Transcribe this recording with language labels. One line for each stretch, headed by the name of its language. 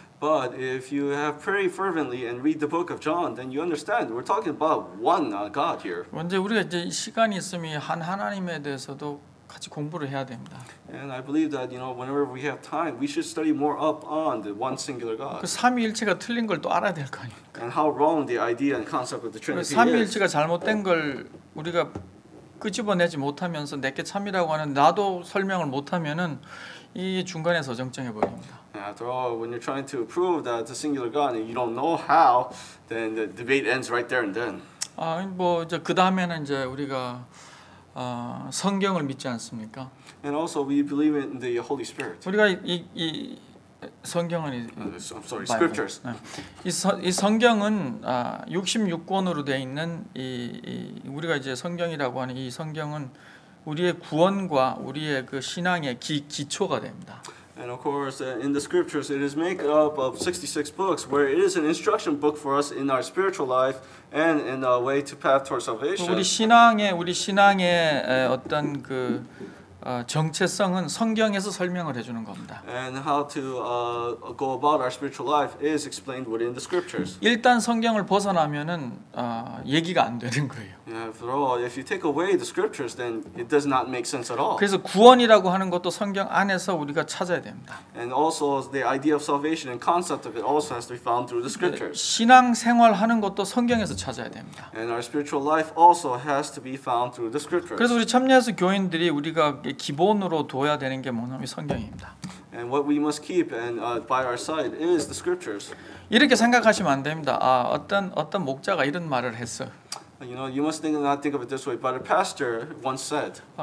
English: But if you have prayed fervently and read the book of John, then you understand we're talking about one God here.
Korean: 언제 우리가 이제 시간이 있으면 한 하나님에 대해서도 같이 공부를 해야 됩니다.
English: And I believe that you know whenever we have time, we should study more up on the one singular God.
Korean: 그 삼위일체가 틀린 걸 또 알아야 될 거 아니에요.
English: And how wrong the idea and concept of the Trinity is.
Korean: 삼위일체가 잘못된 걸 우리가 끄집어내지 못하면서 내게 참이라고 하는 나도 설명을 못하면은 이 중간에서 정정해 버립니다.
English: After all, when you're trying to prove that the singular God, you don't know how, then the debate ends right there and then.
Korean: 아, 뭐 이제 그 다음에는 이제 우리가 성경을 믿지 않습니까?
English: And also we believe in the Holy Spirit.
Korean: 우리가 이 성경은
English: I'm sorry, Bible. Scriptures.
Korean: 이 성경은 66권으로 되어 있는 이 우리가 이제 성경이라고 하는 이 성경은 우리의 구원과 우리의 그 신앙의 기초가 됩니다.
English: And of course, in the scriptures, it is made up of 66 books, where it is an instruction book for us in our spiritual life and in a way to path toward salvation.
Korean: 우리 신앙의 어떤 그 정체성은 성경에서 설명을 해주는 겁니다.
English: And how to go about our spiritual life is explained within the scriptures.
Korean: 일단 성경을 벗어나면은 얘기가 안 되는 거예요.
English: After all, if you take away the scriptures, then it does not make sense at all.
Korean: 그래서 구원이라고 하는 것도 성경 안에서 우리가 찾아야 됩니다.
English: And also the idea of salvation and concept of it also has to be found through the scriptures.
Korean: 신앙 생활하는 것도 성경에서 찾아야 됩니다.
English: And our spiritual life also has to be found through the scriptures.
Korean: 그래서 우리 참여해서 교인들이 우리가 기본으로 둬야 되는 게 뭐냐면 성경입니다.
English: And what we must keep and by our side is the scriptures.
Korean: 이렇게 생각하시면 안 됩니다. 어떤 목자가 이런 말을 했어.
English: You know, you must not think of it this way, but a pastor once said.